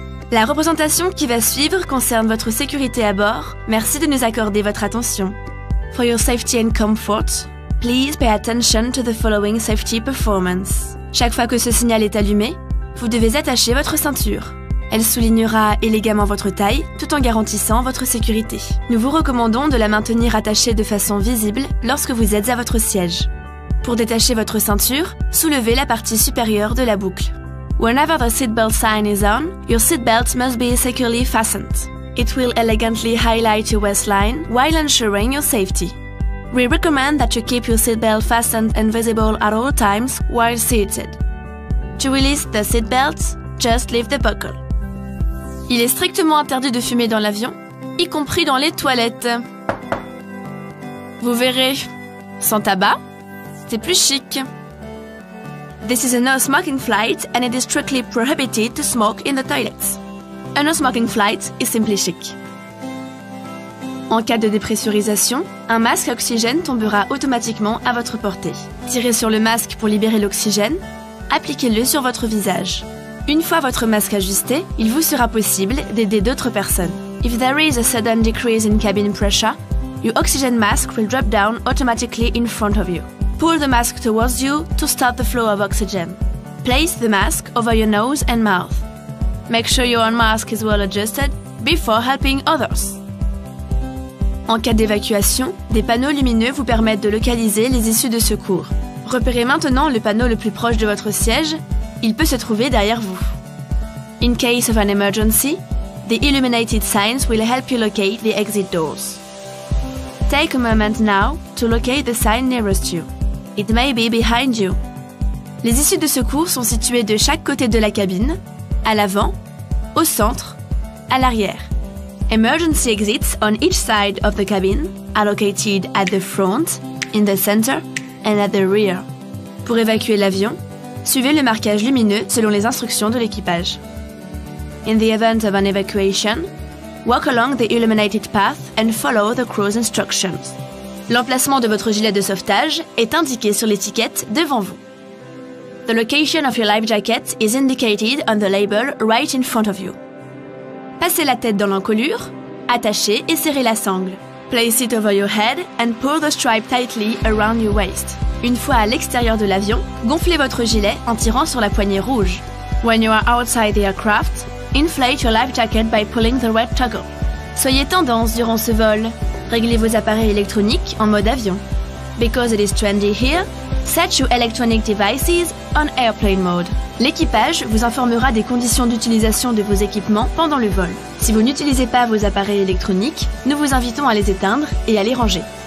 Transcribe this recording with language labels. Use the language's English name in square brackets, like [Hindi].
[French] La représentation qui va suivre concerne votre sécurité à bord. Merci de nous accorder votre attention. [English] For your safety and comfort, please pay attention to the following safety performance. [French] Chaque fois que ce signal est allumé, vous devez attacher votre ceinture. Elle soulignera élégamment votre taille tout en garantissant votre sécurité. Nous vous recommandons de la maintenir attachée de façon visible lorsque vous êtes à votre siège. Pour détacher votre ceinture, soulevez la partie supérieure de la boucle. [English] Whenever the seatbelt sign is on, your seatbelt must be securely fastened. It will elegantly highlight your waistline while ensuring your safety. We recommend that you keep your seatbelt fastened and visible at all times while seated. To release the seatbelt, just lift the buckle. [French] Il est strictement interdit de fumer dans l'avion, y compris dans les toilettes. Vous verrez, sans tabac, c'est plus chic. [English] This is a no-smoking flight and it is strictly prohibited to smoke in the toilets. A no-smoking flight is simply chic. [French] En cas de dépressurisation, un masque à oxygène tombera automatiquement à votre portée. Tirez sur le masque pour libérer l'oxygène, appliquez-le sur votre visage. Une fois votre masque ajusté, il vous sera possible d'aider d'autres personnes. [English] If there is a sudden decrease in cabin pressure, your oxygen mask will drop down automatically in front of you. Pull the mask towards you to stop the flow of oxygen. Place the mask over your nose and mouth. Make sure your own mask is well adjusted before helping others. [French] En cas d'évacuation, des panneaux lumineux vous permettent de localiser les issues de secours. Repérez maintenant le panneau le plus proche de votre siège. Il peut se trouver derrière vous. [English] In case of an emergency, the illuminated signs will help you locate the exit doors. Take a moment now to locate the sign nearest you. It may be behind you. [French] Les issues de secours sont situées de chaque côté de la cabine, à l'avant, au centre, à l'arrière. [English] Emergency exits on each side of the cabin are located at the front, in the center, and at the rear. [French] Pour évacuer l'avion, suivez le marquage lumineux selon les instructions de l'équipage. [English] In the event of an evacuation, walk along the illuminated path and follow the crew's instructions. [French] L'emplacement de votre gilet de sauvetage est indiqué sur l'étiquette devant vous. [English] The location of your life jacket is indicated on the label right in front of you. [French] Passez la tête dans l'encolure, attachez et serrez la sangle. [English] Place it over your head and pull the strap tightly around your waist. [French] Une fois à l'extérieur de l'avion, gonflez votre gilet en tirant sur la poignée rouge. [English] When you are outside the aircraft, inflate your life jacket by pulling the red toggle. [French] Soyez tendance durant ce vol. Réglez vos appareils électroniques en mode avion. [English] Because it is trendy here, set your electronic devices on airplane mode. [French] L'équipage vous informera des conditions d'utilisation de vos équipements pendant le vol. Si vous n'utilisez pas vos appareils électroniques, nous vous invitons à les éteindre et à les ranger.